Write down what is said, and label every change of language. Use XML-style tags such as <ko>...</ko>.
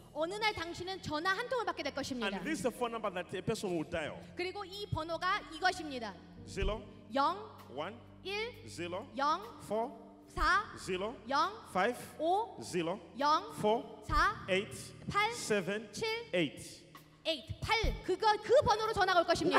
<ko>어느 날 당신은 전화 한 통을 받게 될 것입니다.</ko> <en>And this is the phone number that the person will dial.</en> <ko>그리고 이 번호가 이것입니다. 0 1 1 0 0 4 4 0 0 5 5 0 0 4 4 8 8 7 7 8 8 8 그 번호로 전화가 올 것입니다.</ko>